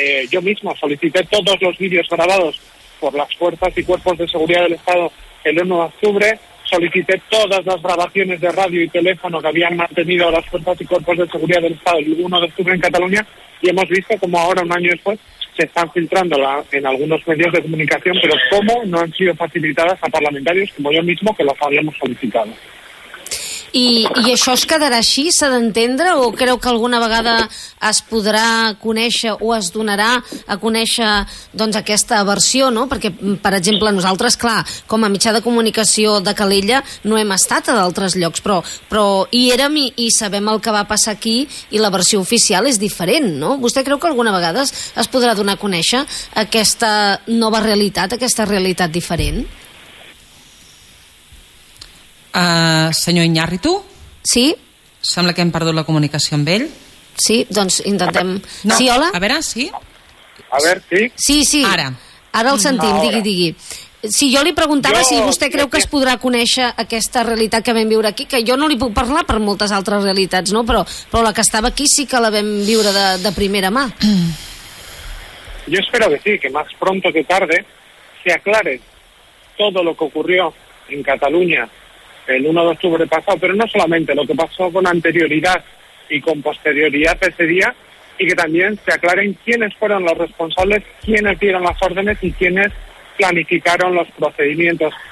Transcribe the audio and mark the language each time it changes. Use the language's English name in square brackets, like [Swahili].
[Spanish] Yo mismo solicité todos los vídeos grabados por las fuerzas y cuerpos de seguridad del Estado el 1 de octubre, solicité todas las grabaciones de radio y teléfono que habían mantenido las fuerzas y cuerpos de seguridad del Estado el 1 de octubre en Cataluña, y hemos visto como ahora, un año después, se están filtrando en algunos medios de comunicación, pero cómo no han sido facilitadas a parlamentarios como yo mismo, que las habíamos solicitado. [Catalan] I això es quedarà així, s'ha d'entendre, o creu que alguna vegada es podrà conèixer o es donarà a conèixer, doncs, aquesta versió, no? Perquè, per exemple, nosaltres, clar, com a mitjà de comunicació de Calella, no hem estat a d'altres llocs, però hi érem i sabem el que va passar aquí, i la versió oficial és diferent, no? Vostè creu que alguna vegada es podrà donar a conèixer aquesta nova realitat, aquesta realitat diferent? Senyor Iñárritu? Sí? Sembla que hem perdut la comunicació amb ell. Sí, doncs intentem... No. Sí, hola? A veure, sí? A veure, sí? Sí, sí. Ara el sentim, ara. Digui. Si jo li preguntava si vostè creu que es podrà conèixer aquesta realitat que vam viure aquí, que jo no li puc parlar per moltes altres realitats, no? Però la que estava aquí sí que la vam viure de primera mà. [Spanish] Yo espero que sí, que más pronto que tarde se aclare todo lo que ocurrió en Cataluña el 1 de octubre pasado, pero no solamente, lo que pasó con anterioridad y con posterioridad ese día, y que también se aclaren quiénes fueron los responsables, quiénes dieron las órdenes y quiénes planificaron los procedimientos.